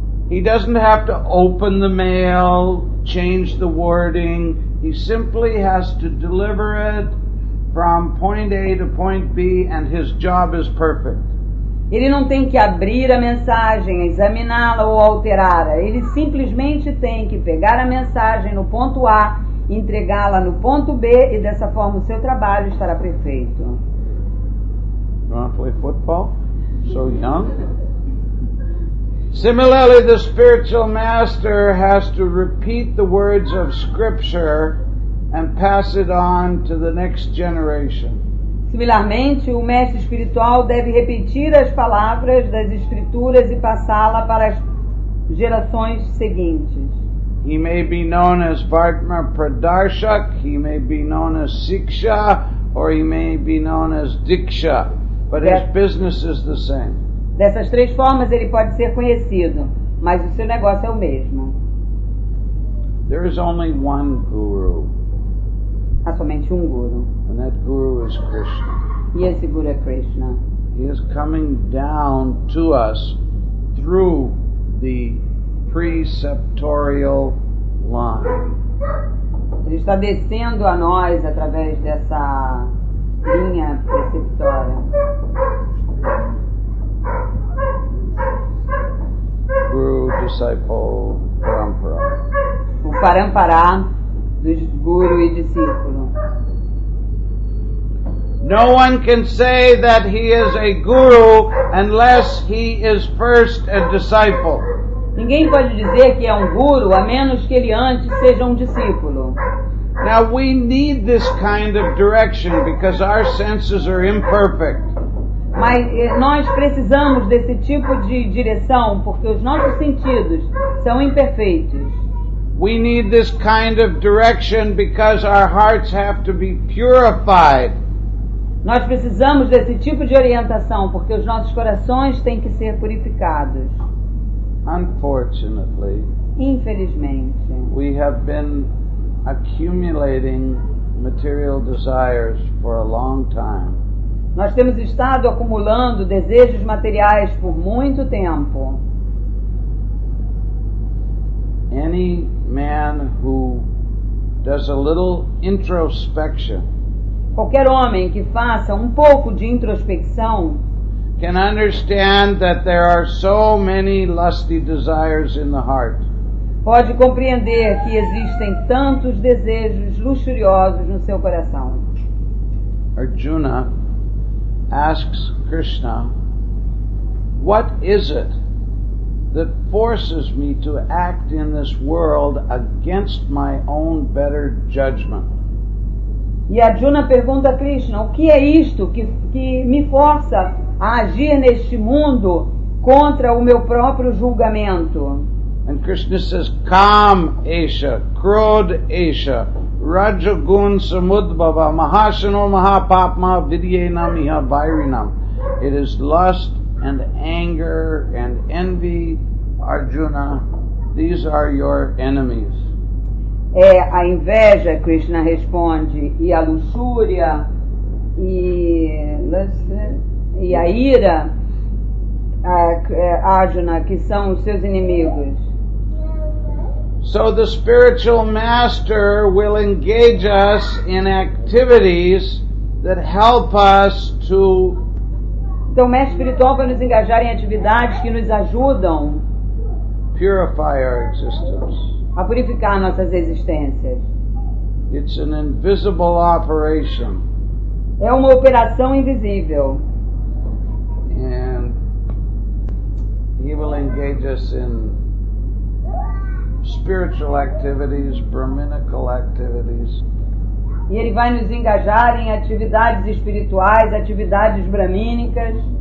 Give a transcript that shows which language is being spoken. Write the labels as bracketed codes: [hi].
[en] He doesn't have to open the mail, change the wording. He simply has to deliver it from point A to point B and his job is perfect. [pt] Ele não tem que abrir a mensagem, examiná-la ou alterá-la. Ele simplesmente tem que pegar a mensagem no ponto A, entregá-la no ponto B e dessa forma o seu trabalho estará perfeito. [en] You want to play football? So young. Similarly, the spiritual master has to repeat the words of scripture and pass it on to the next generation. [pt] Similarmente, o mestre espiritual deve repetir as palavras das escrituras e passá-la para as gerações seguintes. [en] He may be known as Vartma Pradarshak, he may be known as Siksha, or he may be known as Diksha, but his business is the same. [pt] Dessas três formas ele pode ser conhecido, mas o seu negócio é o mesmo. [en] There is only one guru. [pt] Há somente um guru. [en] And that guru is Krishna. [pt] E esse guru é Krishna. [en] He is coming down to us through the preceptorial line. [pt] Ele está descendo a nós através dessa linha preceptória. [en] Guru, disciple, parampara. [pt] O parampara, dos guru e discípulo. [en] No one can say that he is a guru unless he is first a disciple. [pt] Ninguém pode dizer que é guru a menos que ele antes seja discípulo. [en] Now we need this kind of direction because our senses are imperfect. [pt] Mas nós precisamos desse tipo de direção porque os nossos sentidos são imperfeitos. [en] We need this kind of direction because our hearts have to be purified. [pt] Nós precisamos desse tipo de orientação porque os nossos corações têm que ser purificados. [en] Unfortunately, [pt] infelizmente, [en] we have been accumulating material desires for a long time. [pt] Nós temos estado acumulando desejos materiais por muito tempo. [en] Any man who does a little introspection, [pt] qualquer homem que faça pouco de introspecção, [en] can understand that there are so many lusty desires in the heart. [pt] Pode compreender que existem tantos desejos luxuriosos no seu coração. [en] Arjuna asks Krishna, "What is it that forces me to act in this world against my own better judgment?" [pt] E Arjuna pergunta a Krishna, "O que é isto que me força a agir neste mundo contra o meu próprio julgamento?" [en] And Krishna says, [sa] "Kam esha, krod esha, rajagun samudbhava, mahasano mahapapma vidyenam iha vairinam." [en] It is lust and anger and envy, Arjuna. These are your enemies. [pt] É a inveja, Krishna responde, e a luxúria, e a ira, Arjuna, que são os seus inimigos. [en] So the spiritual master will engage us in activities that help us to. [pt] Então, o mestre espiritual vai nos engajar em atividades que nos ajudam. [en] Purify our existence. [pt] A purificar nossas existências. [en] It's an invisible operation. [pt] É uma operação invisível. [en] And he will engage us in spiritual activities, brahminical activities. [pt] E ele vai nos engajar em atividades espirituais, atividades brahmínicas.